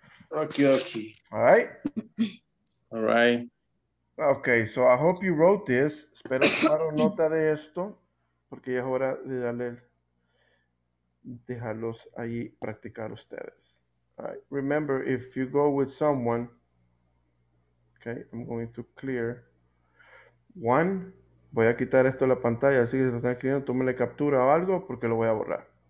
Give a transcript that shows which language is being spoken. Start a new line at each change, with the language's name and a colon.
English: Okay, okay. All right. All right. Okay, so I hope you wrote this.
Spanish: Espero tomar nota de esto porque ya es hora de dejarlos ahí practicar ustedes.
English: All right. Remember, if you go with someone, okay, I'm going to clear one.
Spanish: Voy a quitar esto de la pantalla, así que si lo están escribiendo, tómenle captura o algo porque lo voy a borrar.